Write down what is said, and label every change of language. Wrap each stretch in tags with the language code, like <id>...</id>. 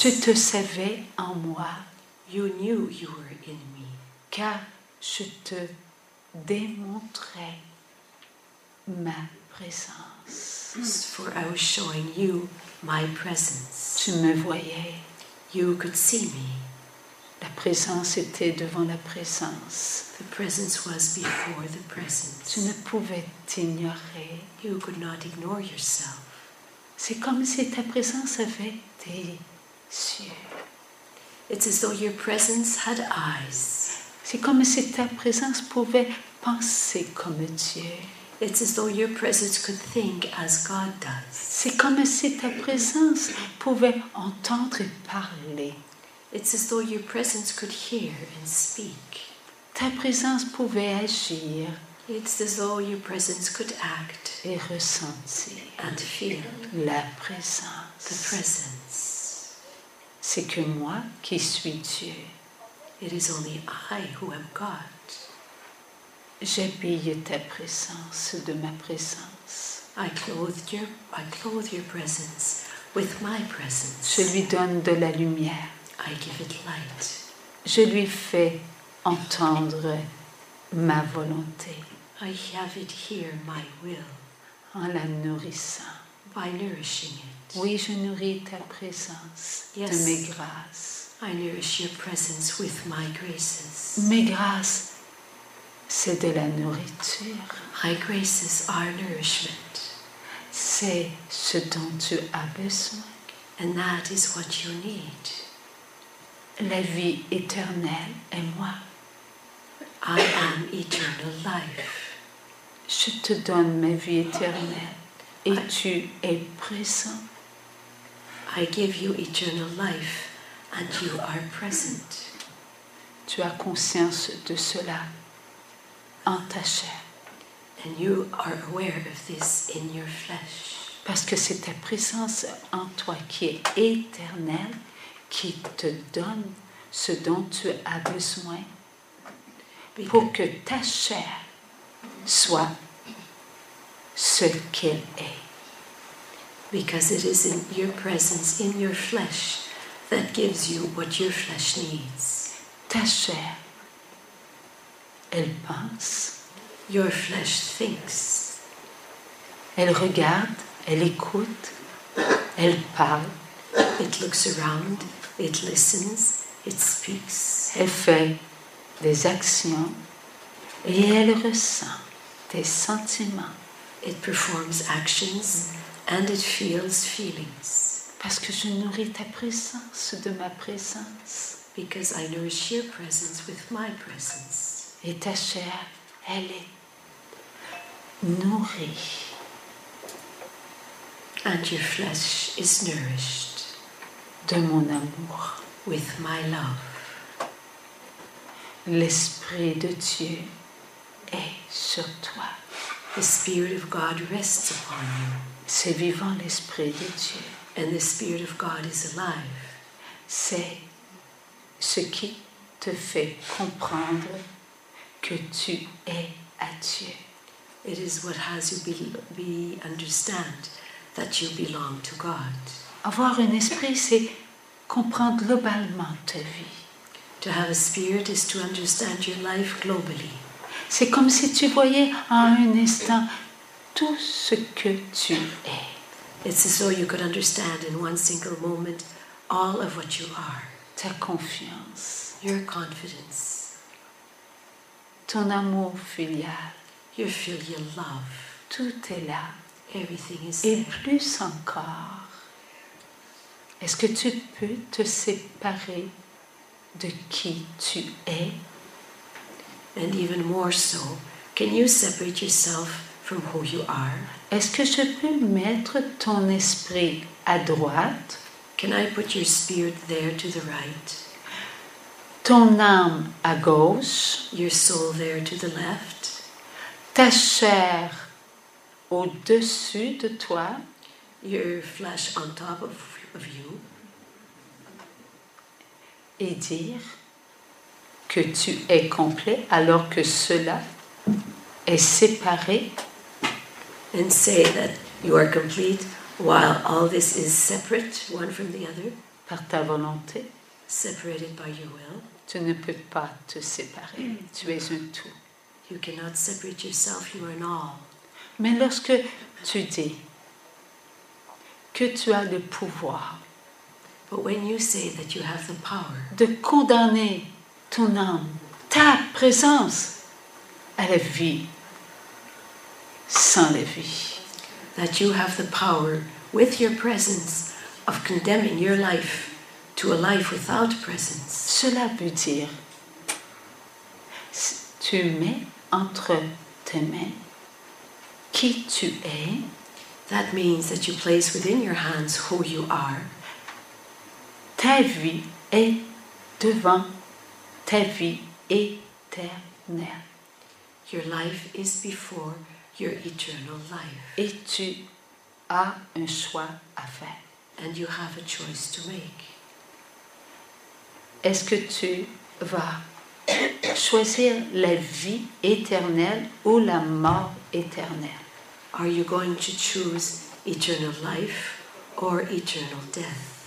<fr>Tu te savais en moi.</fr> <en>You knew you were in me.</en> <fr>Car je te démontrais ma présence.</fr> <en>For I was showing you my presence.</en> <fr>Tu me voyais.</fr> <en>You could see me.</en> <fr>La présence était devant la présence.</fr> <en>The presence was before the presence.</en> <fr>Tu ne pouvais t'ignorer.</fr> <en>You could not ignore yourself.</en> <fr>C'est comme si ta présence avait des Cieux.</fr> <en>It's as though your presence had eyes.</en> <fr>C'est comme si ta présence pouvait penser comme Dieu.</fr> <en>It's as though your presence could think as God does.</en> <fr>C'est comme si ta présence pouvait entendre et parler.</fr> <en>It's as though your presence could hear and speak.</en> <fr>Ta présence pouvait agir.</fr> <en>It's as though your presence could act.</en> <fr>Et ressentir.</fr> <en>And feel.</en> <fr>La présence.</fr> <en>The presence.</en> <fr>C'est que moi qui suis Dieu.</fr> <en>It is only I who am God.</en> <fr>J'habille ta présence de ma présence.</fr> <en>I clothe your presence with my presence.</en> <fr>Je lui donne de la lumière.</fr> <en>I give it light.</en> <fr>Je lui fais entendre ma volonté.</fr> <en>I have it hear my will.</en> <fr>En la nourrissant.</fr> <en>By nourishing it.</en> <fr>Oui, je nourris ta présence</fr> <en>yes,</en> <fr>de mes grâces.</fr> <en>I nourish your presence with my graces.</en> <fr>Mes grâces. C'est de la nourriture.</fr> <en>My graces are nourishment.</en> <fr>C'est ce dont tu as besoin.</fr> <en>And that is what you need.</en> <fr>La vie éternelle est moi.</fr> <en>I am eternal life.</en> <fr>Je te donne ma vie éternelle et tu es présent.</fr> <en>I give you eternal life and you are present.</en> <fr>Tu as conscience de cela. En ta chair.</fr> <en>And you are aware of this in your flesh.</en> <fr>Parce que c'est ta présence en toi qui est éternelle qui te donne ce dont tu as besoin pour que ta chair soit ce qu'elle est.</fr> <en>Because it is in your presence in your flesh that gives you what your flesh needs.</en> <fr>Ta chair. Elle pense.</fr> <en>Your flesh thinks.</en> <fr>Elle regarde, elle écoute, elle parle.</fr> <en>It looks around, it listens, it speaks.</en> <fr>Elle fait des actions et elle ressent des sentiments.</fr> <en>It performs actions and it feels feelings.</en> <fr>Parce que je nourris ta présence de ma présence.</fr> <en>Because I nourish your presence with my presence.</en> <fr>Et ta chair, elle est nourrie.</fr> <en>And your flesh is nourished.</en> <fr>De mon amour.</fr> <en>With my love.</en> <fr>L'Esprit de Dieu est sur toi.</fr> <en>The Spirit of God rests upon you.</en> <fr>C'est vivant l'Esprit de Dieu.</fr> <en>And the Spirit of God is alive.</en> <fr>C'est ce qui te fait comprendre que tu es à Dieu.</fr> <en>It is what has you be understand that you belong to God.</en> <fr>Avoir un esprit, c'est comprendre globalement ta vie.</fr> <en>To have a spirit is to understand your life globally.</en> <fr>C'est comme si tu voyais en un instant tout ce que tu es.</fr> <en>It's as though you could understand in one single moment all of what you are.</en> <fr>Ta confiance.</fr> <en>Your confidence.</en> <fr>Ton amour filial.</fr> <en>Your filial love.</en> <fr>Tout est là.</fr> <en>Everything is</en> <fr>et</fr> <en>there.</en> <fr>Et plus encore, est-ce que tu peux te séparer de qui tu es?</fr> <en>And even more so, can you separate yourself from who you are?</en> <fr>Est-ce que je peux mettre ton esprit à droite?</fr> <en>Can I put your spirit there to the right?</en> <fr>Ton âme à gauche.</fr> <en>Your soul there to the left.</en> <fr>Ta chair au-dessus de toi.</fr> <en>Your flesh on top of you.</en> <fr>Et dire que tu es complet alors que cela est séparé.</fr> <en>And say that you are complete while all this is separate, one from the other.</en> <fr>Par ta volonté.</fr> <en>Separated by your will.</en> <fr>Tu ne peux pas te séparer. Tu es un tout.</fr> <en>You cannot separate yourself, you are an all.</en> <fr>Mais lorsque tu dis que tu as le pouvoir,</fr> <en>but when you say that you have the power,</en> <fr>de condamner ton âme, ta présence à la vie sans la vie,</fr> <en>that you have the power with your presence of condemning your life to a life without presence.</en> <fr>Cela veut dire, tu mets entre tes mains qui tu es.</fr> <en>That means that you place within your hands who you are.</en> <fr>Ta vie est devant ta vie éternelle.</fr> <en>Your life is before your eternal life.</en> <fr>Et tu as un choix à faire.</fr> <en>And you have a choice to make.</en> <fr>Est-ce que tu vas choisir la vie éternelle ou la mort éternelle?</fr> <en>Are you going to choose eternal life or eternal death?</en>